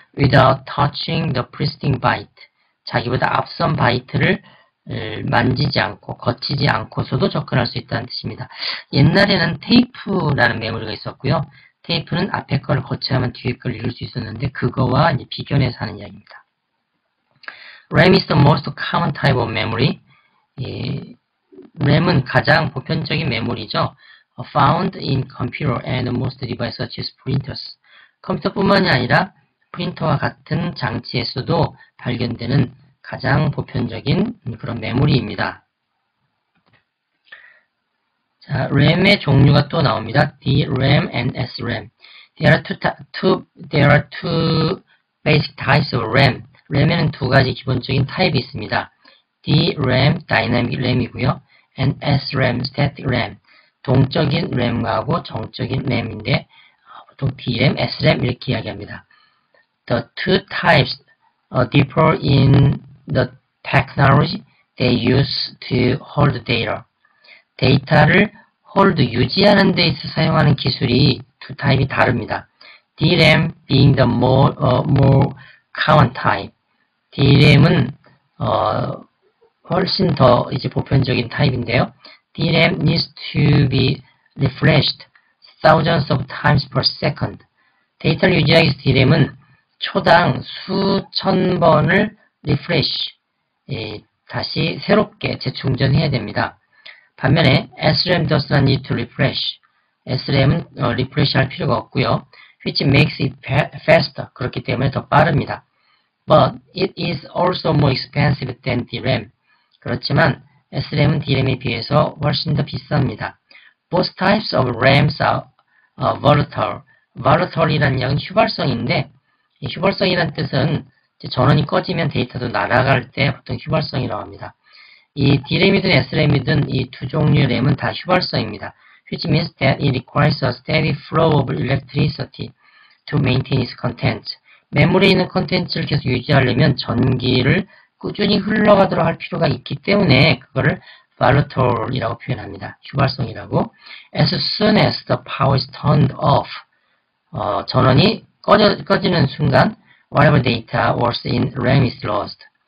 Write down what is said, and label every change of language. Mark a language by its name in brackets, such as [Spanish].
[English] Without touching the preceding byte. [Korean] 자기보다 앞선 바이트를 만지지 않고, 거치지 않고서도 접근할 수 있다는 뜻입니다. 옛날에는 테이프라는 메모리가 있었고요. 테이프는 앞에 걸 거쳐야만 뒤에 걸 읽을 수 있었는데, 그거와 이제 비견해서 하는 이야기입니다. [English] RAM is the most common type of memory. [Korean] RAM은 가장 보편적인 메모리죠. [English] Found in computer and most devices such as printers. [Korean] 컴퓨터뿐만이 아니라 프린터와 같은 장치에서도 발견되는 가장 보편적인 그런 메모리입니다. 자, RAM의 종류가 또 나옵니다. DRAM and SRAM. [English] There are two basic types of RAM. [Korean] RAM에는 두 가지 기본적인 타입이 있습니다. [English] DRAM, Dynamic RAM이고요. And SRAM, Static RAM. [Korean] 동적인 RAM하고 정적인 RAM인데 보통 DRAM, SRAM 이렇게 이야기합니다. [English] The two types differ in the technology they use to hold data. [Korean] 데이터를 hold, 유지하는 데 있어 사용하는 기술이 두 타입이 다릅니다. [English] DRAM being the more common type. [Korean] DRAM은 훨씬 더 이제 보편적인 타입인데요. [English] DRAM needs to be refreshed thousands of times per second. [Korean] 데이터를 유지하기 위해서 DRAM은 초당 수천 번을 refresh, 다시 새롭게 재충전해야 됩니다. 반면에 [English] SRAM does not need to refresh. [Korean] SRAM은 refresh 할 필요가 없고요. [English] Which makes it faster. [Korean] 그렇기 때문에 더 빠릅니다. [English] But it is also more expensive than DRAM. [Korean] 그렇지만 SRAM은 DRAM에 비해서 훨씬 더 비쌉니다. [English] Both types of RAMs are volatile. [Korean] Volatile이라는 약은 휘발성인데 휘발성이라는 뜻은 전원이 꺼지면 데이터도 날아갈 때 보통 휘발성이라고 합니다. 이 DRAM이든 SRAM이든 이 두 종류의 RAM은 다 휘발성입니다. [English] Which means that it requires a steady flow of electricity to maintain its contents. [Korean] 메모리에 있는 컨텐츠를 계속 유지하려면 전기를 꾸준히 흘러가도록 할 필요가 있기 때문에 그거를 volatile이라고 표현합니다. 휘발성이라고. [English] As soon as the power is turned off, [Korean] 전원이 꺼지는 순간, [English] whatever data was in RAM is lost.